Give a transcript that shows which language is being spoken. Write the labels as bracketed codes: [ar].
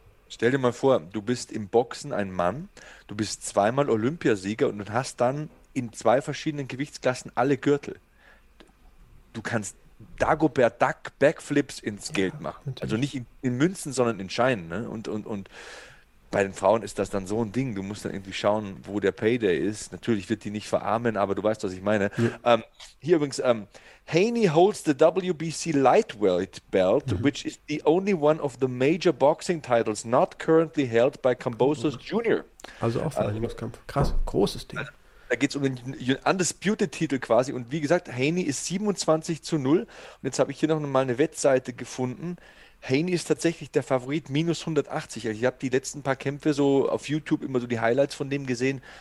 [de] Stell dir mal vor, du bist im Boxen ein Mann, du bist zweimal Olympiasieger und hast dann in zwei verschiedenen Gewichtsklassen alle Gürtel. Du kannst Dagobert Duck Backflips ins Geld machen. Also Natürlich. nicht in Münzen, sondern in Scheinen. Ne? Und bei den Frauen ist das dann so ein Ding. Du musst dann irgendwie schauen, wo der Payday ist. Natürlich wird die nicht verarmen, aber du weißt, was ich meine. Hier übrigens, [en] Haney holds the WBC Lightweight Belt, which is the only one of the major boxing titles not currently held by Kambosos Jr. [de] Also auch Vereinigungskampf. Krass, großes Ding. Da geht es um den Undisputed-Titel quasi. Und wie gesagt, Haney ist 27 zu 0. Und jetzt habe ich hier noch mal eine Wettseite gefunden. Haney ist tatsächlich der Favorit, minus 180. Also ich habe die letzten paar Kämpfe so auf YouTube immer so die Highlights von dem gesehen.